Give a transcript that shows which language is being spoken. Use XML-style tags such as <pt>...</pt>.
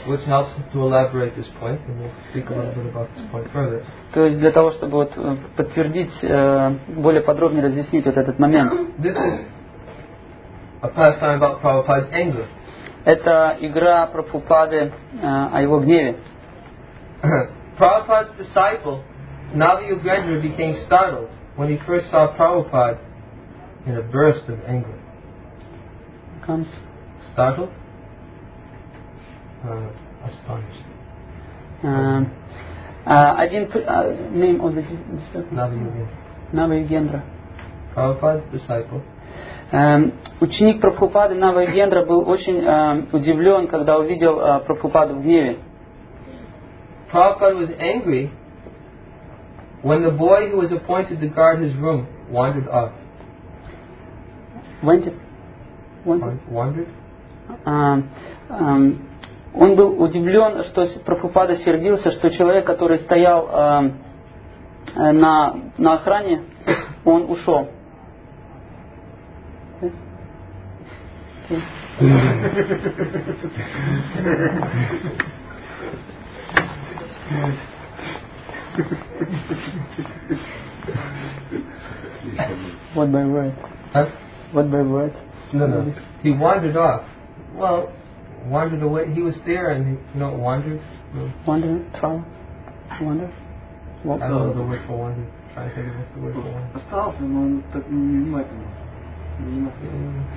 <en>Which helps to elaborate this point, and we'll speak a little bit about this point further.</en> <ru>То есть для того, чтобы вот подтвердить более подробнее разъяснить вот этот момент.</ru> <en>This is a pastime about Prabhupada's anger.</en> <ru>Это игра Прабхупады о его гневе.</ru> <en>Prabhupada's disciple, Navi Yugendra, became startled when he first saw Prabhupada in a burst of anger. Becomes startled? Astonished. Name of the disciple? Navi Yugendra. Navi Yugendra. Prabhupada's disciple.</en> <ru>Ученик Прабхупады Нава Йогендра был очень удивлен, когда увидел Прабхупаду в гневе.</ru> <en>Prabhupada was angry when the boy who was appointed to guard his room wandered off.</en> <ru>Он был удивлен, что Прабхупада сердился, что человек, который стоял на охране, он ушел.</ru> <en>What by word? Huh? What by word? No. He wandered off. Well, wandered away. He was there and he, you know, wandered. Wander? Travel? Wander? I don't know the word for wander. Try to figure out the word for wander.</en> <ru>Остался, но он так внимательно.</ru>